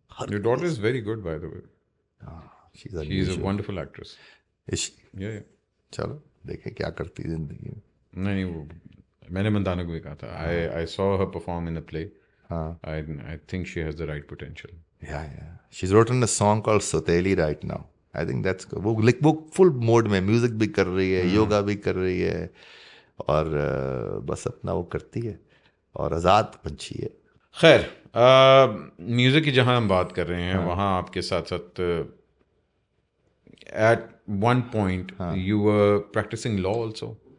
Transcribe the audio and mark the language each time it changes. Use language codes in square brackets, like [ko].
[en] Your daughter is very good by the way. She's a wonderful actress. Is she? Yeah, yeah. [ur] چلو دیکھیں کیا کرتی زندگی میں. نہیں وہ میں نے مندانہ کو بھی کہا تھا, [en] I saw her perform in a play. I think she has the right potential. Yeah, yeah. She's written a song called Soteli right now. I think that's good. [ur] وہ لک بک فل موڈ میں میوزک بھی کر رہی ہے, یوگا بھی کر رہی ہے, اور بس اپنا وہ کرتی ہے اور آزاد پنچھی ہے. خیر میوزک کی جہاں ہم بات کر رہے ہیں وہاں آپ کے ساتھ ساتھ [en] At one point you were practising law also.